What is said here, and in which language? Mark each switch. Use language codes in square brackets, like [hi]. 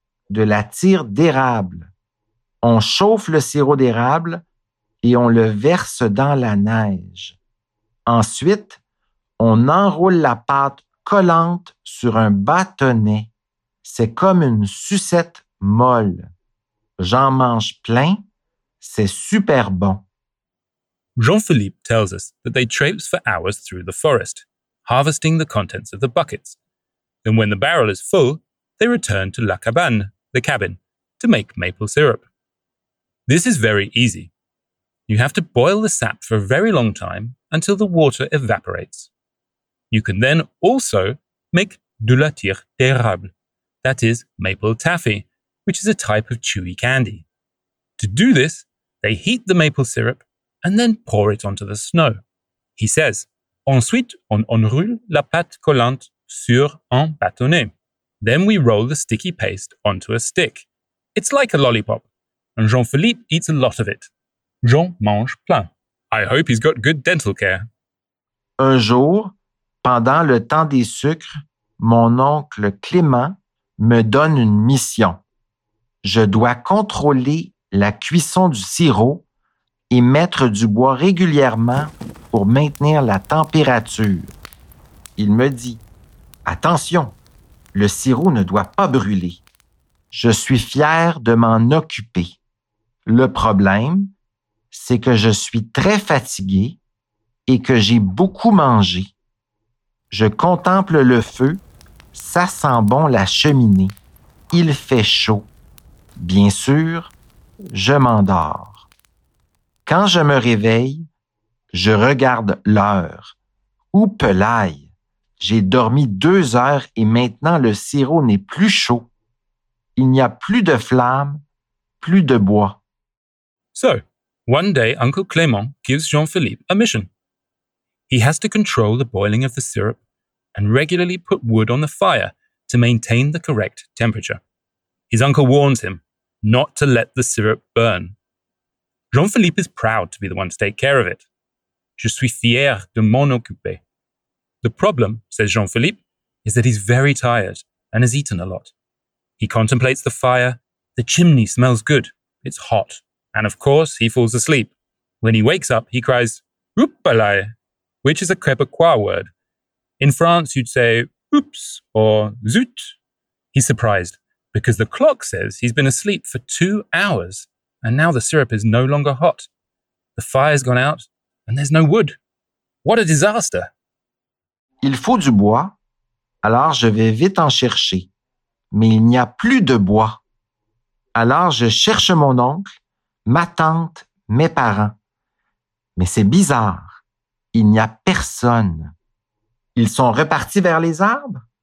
[fr] De la tire d'érable. On chauffe le sirop d'érable et on le verse dans la neige. Ensuite, on enroule la pâte collante sur un bâtonnet. C'est comme une sucette molle. J'en mange plein. C'est super bon. [en] Jean-Philippe tells us that they traipse for hours through the forest, harvesting the contents of the buckets. And when the barrel is full, they return to la cabane, the cabin, to make maple syrup. This is very easy. You have to boil the sap for a very long time until the water evaporates. You can then also make de la tire d'érable, that is, maple taffy, which is a type of chewy candy. To do this, they heat the maple syrup and then pour it onto the snow. He says, [fr] ensuite, on enroule la pâte collante sur un bâtonnet. [en] Then we roll the sticky paste onto a stick. It's like a lollipop, and Jean-Philippe eats a lot of it. [fr] Jean mange plein. [en] I hope he's got good dental care. [fr] Un jour, pendant le temps des sucres, mon oncle Clément me donne une mission. Je dois contrôler la cuisson du sirop et mettre du bois régulièrement pour maintenir la température. Il me dit, attention, le sirop ne doit pas brûler. Je suis fier de m'en occuper. Le problème, c'est que je suis très fatigué et que j'ai beaucoup mangé. Je contemple le feu, ça sent bon la cheminée. Il fait chaud. Bien sûr, je m'endors. Quand je me réveille, je regarde l'heure. Oupelaille! J'ai dormi 2 heures et maintenant le sirop n'est plus chaud. Il n'y a plus de flamme, plus de bois. [en] So, one day Uncle Clément gives Jean-Philippe a mission. He has to control the boiling of the syrup and regularly put wood on the fire to maintain the correct temperature. His uncle warns him not to let the syrup burn. Jean-Philippe is proud to be the one to take care of it. [fr] Je suis fier de m'en occuper. [en] The problem, says Jean-Philippe, is that he's very tired and has eaten a lot. He contemplates the fire. The chimney smells good. It's hot. And of course, he falls asleep. When he wakes up, he cries, oupalaï, which is a Quebecois word. In France, you'd say, oups, or zut. He's surprised because the clock says he's been asleep for 2 hours. And now the syrup is no longer hot. The fire's gone out, and there's no wood. What a disaster! [fr] Il faut du bois, alors je vais vite en chercher. Mais il n'y a plus de bois. Alors je cherche mon oncle, ma tante, mes parents. Mais c'est bizarre. Il n'y a personne. Ils sont repartis vers les arbres?